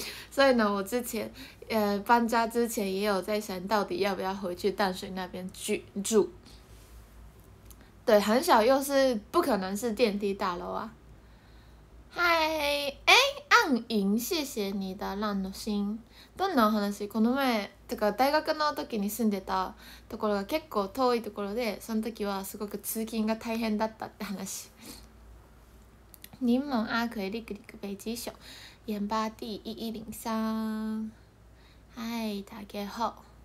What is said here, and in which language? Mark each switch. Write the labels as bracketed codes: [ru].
[zh] 所以呢，我之前搬家之前也有在想，到底要不要回去淡水那边居住？对，很小，又是不可能是电梯大楼啊。嗨，暗影，谢谢你的浪的心。 [ja] どんなお話？この前とか大学の時に住んでたところが結構遠いところで、その時はすごく通勤が大変だったって話。 [zh] 柠檬阿奎利克利克北极熊，盐巴地1103。嗨，大家好。